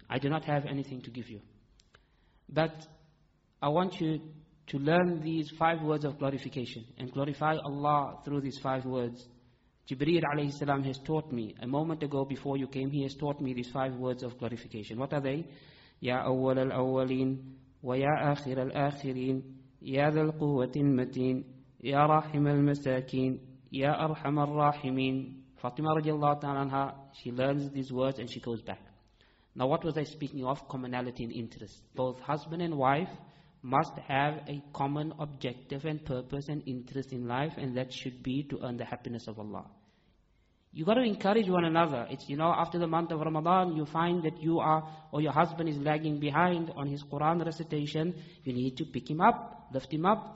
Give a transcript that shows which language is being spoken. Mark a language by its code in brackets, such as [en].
[en] I do not have anything to give you. But I want you to learn these 5 words of glorification and glorify Allah through these 5 words. Jibreel alayhi salam has taught me, a moment ago before you came, he has taught me these 5 words of glorification. What are they? [ar] Ya awwal al-awwaleen, ويا آخر الآخرين يا ذا القوة المتين يا راحم المساكين يا أرحم الراحمين. [en] Fatima radiallahu ta'ala anha, she learns these words and she goes back. Now what was I speaking of? Commonality and interest. Both husband and wife must have a common objective and purpose and interest in life, and that should be to earn the happiness of Allah. You got to encourage one another. It's, you know, after the month of Ramadan, you find that you are, or your husband is lagging behind on his Quran recitation, you need to pick him up. lift him up.